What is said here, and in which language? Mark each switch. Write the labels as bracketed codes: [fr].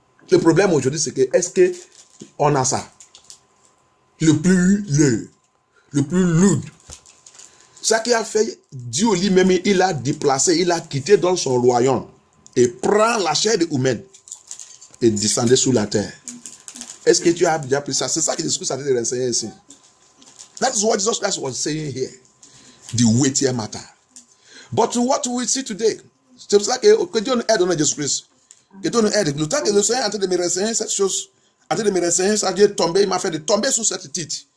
[fr] Le problème aujourd'hui, c'est que est-ce que on a ça? Le plus lourd. Ça qui a fait Dieu lui-même, il a déplacé, il a quitté dans son royaume et prend la chair humaine et descendait sous la terre. Est-ce que tu as déjà pris ça? C'est ça que Jésus a dit de renseigner ici. [en] That is what Jesus Christ was saying here. The weightier matter. But what we see today, [fr] c'est pour ça que Dieu nous aide au nom de Jésus-Christ. Que Dieu nous aide. Le temps que le Seigneur est en train de me renseigner cette chose, en train de me renseigner, ça vient tomber, il m'a fait de tomber sous cette titre.